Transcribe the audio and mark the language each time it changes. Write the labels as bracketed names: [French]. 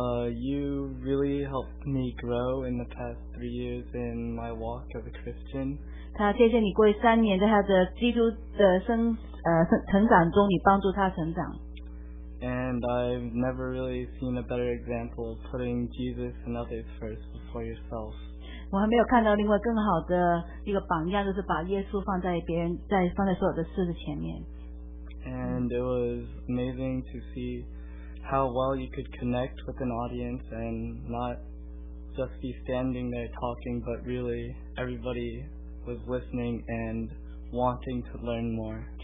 [English] You really helped me grow in the past 3 years in my walk as a Christian. [Chinese] 他谢谢你过去三年在他的基督的成长中，你帮助他成长。 [English] And I've never really seen a better example of putting Jesus and others first before yourself. [Chinese] 我还没有看到另外更好的一个榜样，就是把耶稣放在别人，在放在所有的事的前面。 [English] And it was amazing to see how well you could connect with an audience and not just be standing there talking, but really everybody was listening and wanting to learn more.